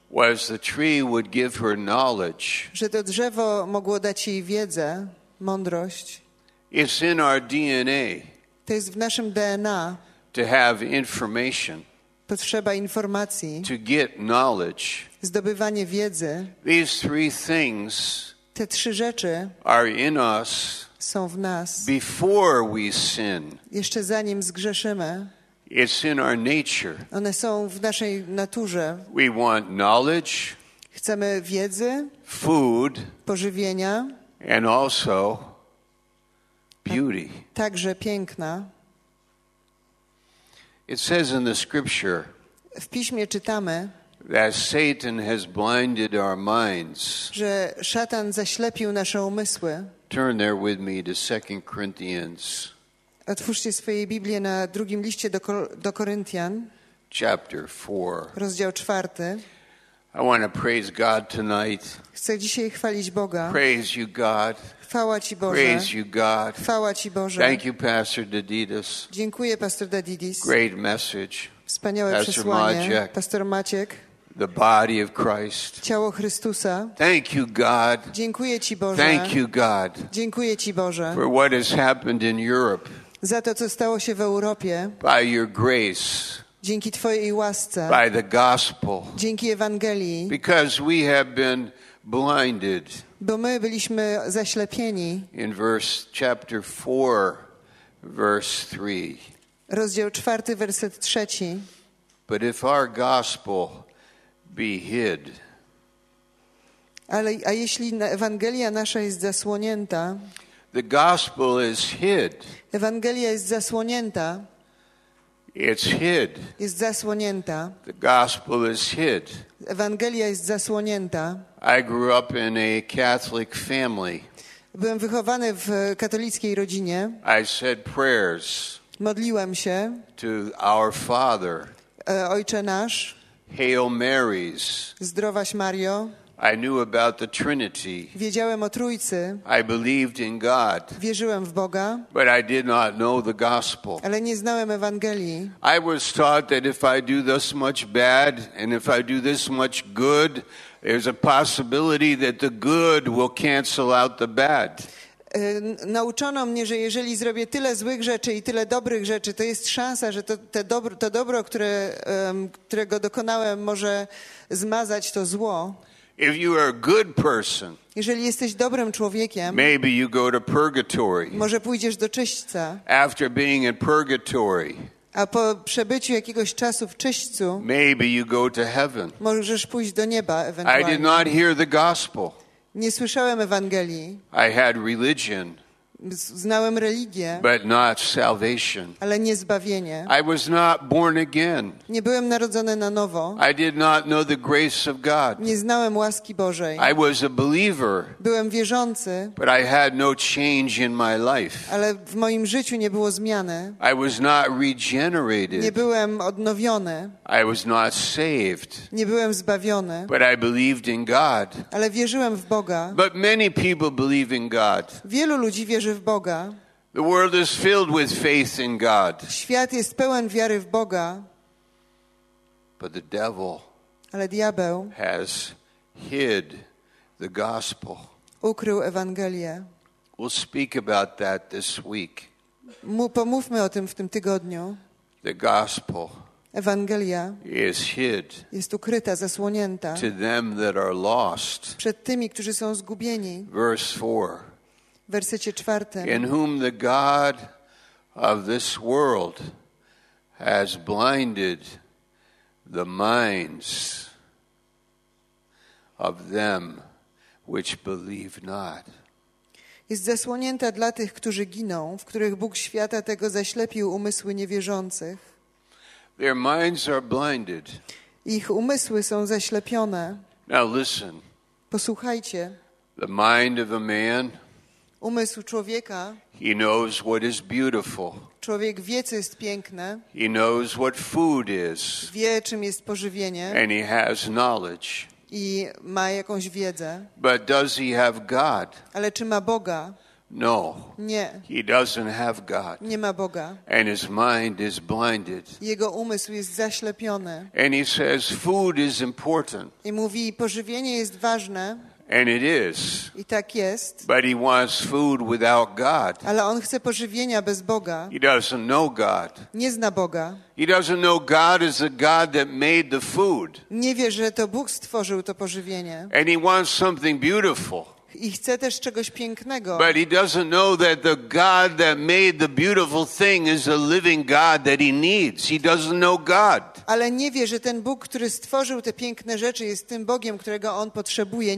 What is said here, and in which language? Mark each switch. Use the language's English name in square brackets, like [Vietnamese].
[English] Was the tree would give her knowledge. [Polish] Że to drzewo mogło dać jej wiedzę, mądrość. [English] It's in our DNA. [Polish] To jest w naszym DNA. [English] To have information. [Polish] Potrzeba informacji. [English] To get knowledge. [Polish] Zdobywanie wiedzy. [English] These three things. [Polish] Te trzy rzeczy [English] are in us, [Polish] są w nas. [English] Before we sin. [Polish] Jeszcze zanim zgrzeszymy. [English] It's in our nature. [Polish] One są w naszej naturze. [English] We want knowledge. [Polish] Chcemy wiedzy. [English] Food. [Polish] Pożywienia. [English] And also beauty. [Polish] Także piękna. [English] It says in the scripture. [Polish] W piśmie czytamy. [English] That Satan has blinded our minds. [Polish] Że szatan zaślepił nasze umysły. [English] Turn there with me to 2 Corinthians. [Polish] Otwórzcie swoje Biblię na drugim liście do Koryntian. [English] Chapter 4. [Polish] Rozdział 4. [English] I want to praise God tonight. [Polish] Chcę dzisiaj chwalić Boga. [English] Praise you, God. [Polish] Chwała Ci Boże. [English] Praise you, God. [Polish] Chwała Ci Boże. [English] Thank you, Pastor Dedidis. [Polish] Dziękuję, Pastor Dedidis. [English] Great message. [Polish] Wspaniałe przesłanie. Pastor Maciek. [English] The body of Christ. [Polish] Ciało Chrystusa. [English] Thank you, God. [Polish] Dziękuję Ci Boże. [English] Thank you, God. [Polish] Dziękuję Ci Boże. [English] For what has happened in Europe. [Polish] Za to, co stało się w Europie. [English] By your grace. [Polish] Dzięki Twojej łasce. [English] By the gospel. [Polish] Dzięki Ewangelii. [English] Because we have been blinded. [Polish] Bo my byliśmy zaślepieni. [English] In verse chapter 4, verse 3. [Polish] Rozdział 4, werset 3. [English] But if our gospel be hid. [Polish] Ale a jeśli Ewangelia nasza jest zasłonięta. [English] The gospel is hid. [Polish] Ewangelia jest zasłonięta. [English] It's hid. [Polish] Jest zasłonięta. [English] The gospel is hid. [Polish] Ewangelia jest zasłonięta. [English] I grew up in a Catholic family. [Polish] Byłem wychowany w katolickiej rodzinie. [English] I said prayers. [Polish] Modliłem się. [English] To our Father. [Polish] Ojcze nasz. [English] Hail Marys. [Polish] Zdrowaś Mario. [English] I knew about the Trinity. [Polish] Wiedziałem o Trójcy. [English] I believed in God. [Polish] Wierzyłem w Boga. [English] But I did not know the gospel. [Polish] Ale nie znałem Ewangelii. [English] I was taught that if I do this much bad and if I do this much good, there's a possibility that the good will cancel out the bad. [Polish] Nauczono mnie, że jeżeli zrobię tyle złych rzeczy i tyle dobrych rzeczy, to jest szansa, że to dobro, którego dokonałem, może zmazać to zło. [English] If you are a good person, [Polish] jeżeli jesteś dobrym człowiekiem, [English] maybe you go to purgatory. [Polish] Może pójdziesz do czyśćca. [English] After being in purgatory, [Polish] a po przebyciu jakiegoś czasu w czyśćcu, [English] maybe you go to heaven. [Polish] Możesz pójść do nieba ewentualnie. [English] I did not hear the gospel. [Polish] Nie słyszałem Ewangelii. [English] I had religion. [Polish] Znałem religię. [English] But not salvation. [Polish] Ale nie zbawienie. [English] I was not born again. [Polish] Nie byłem narodzony na nowo. [English] I did not know the grace of God. [Polish] Nie znałem łaski Bożej. [English] I was a believer. [Polish] Byłem wierzący. [English] But I had no change in my life. [Polish] Ale w moim życiu nie było zmiany. [English] I was not regenerated. [Polish] Nie byłem odnowiony. [English] I was not saved. [Polish] Nie byłem zbawiony. [English] But I believed in God. [Polish] Ale wierzyłem w Boga. [English] But many people believe in God. [Polish] Wielu ludzi wierzy w Boga. [English] The world is filled with faith in God. [Polish] Świat jest pełen wiary w Boga. [English] But the devil, [Polish] ale diabeł, [English] has hid the gospel. [Polish] Ukrył Ewangelię. [English] We'll speak about that this week. [Polish] Pomówmy o tym w tym tygodniu. [English] The gospel, [Polish] Ewangelia, [English] is hid. [Polish] Jest ukryta, zasłonięta. [English] To them that are lost. [Polish] Przed tymi, którzy są zgubieni. [English] Verse 4. [Polish] W wersecie czwartym. [English] In whom the God of this world has blinded the minds of them which believe not. [Polish] Jest zasłonięta dla tych, którzy giną, w których Bóg świata tego zaślepił umysły niewierzących. [English] Their minds are blinded. [Polish] Ich umysły są zaślepione. [English] Now listen. [Polish] Posłuchajcie. [English] The mind of a man. [Polish] Umysł człowieka. [English] He knows what is beautiful. [Polish] Człowiek wie, co jest piękne. [English] He knows what food is. [Polish] Wie, czym jest pożywienie. [English] And he has knowledge. [Polish] I ma jakąś wiedzę. [English] But does he have God? [Polish] Ale czy ma Boga? [English] No. [Polish] Nie. [English] He doesn't have God. [Polish] Nie ma Boga. [English] And his mind is blinded. [Polish] Jego umysł jest zaślepiony. [English] And he says food is important. [Polish] I mówi, pożywienie jest ważne. [English] And it is. [Polish] I tak jest. [English] But he wants food without God. [Polish] Ale on chce pożywienia bez Boga. [English] He doesn't know God. [Polish] Nie zna Boga. [English] He doesn't know God is the God that made the food. [Polish] Nie wie, że to Bóg stworzył to pożywienie. [English] And he wants something beautiful. [Polish] I chce też czegoś pięknego. [English] But he doesn't know that the God that made the beautiful thing is a living God that he needs. He doesn't know God. [Polish] Ale nie wie, że ten Bóg, który stworzył te piękne rzeczy, jest tym Bogiem, którego on potrzebuje.